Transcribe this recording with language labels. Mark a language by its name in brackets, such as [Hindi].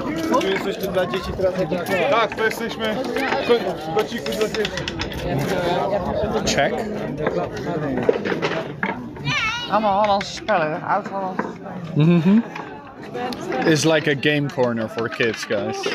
[Polish] My jesteśmy dla dzieci teraz. Tak, to jesteśmy w kociku dla dzieci. [English] Check. [Dutch] Allemaal Hollandse spellen, oud Hollandse spellen. [English] It's like a game corner for kids, guys.